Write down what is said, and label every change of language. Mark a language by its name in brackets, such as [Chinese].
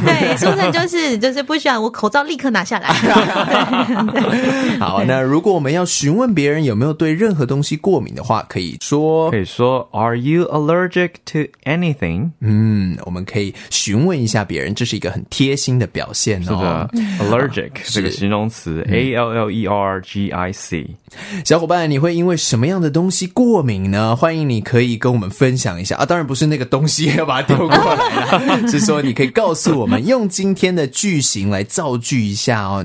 [Chinese] 对苏晨就是不需要我口罩立刻拿下来好那如果我们要询问别人有没有对任何东西过敏的话可以说 [English] Are you allergic to anything [Chinese] 我们可以询问一下别人这是一个很贴心的表现、是的 allergic 这个形容词 A-L-L-E-R-G-I-C 小伙伴你会因为什么样的东西过敏呢欢迎你可以跟我们分享一下啊，当然不是那个东西要把它丢过来啦是说你可以告诉我们用今天的句型来造句一下哦。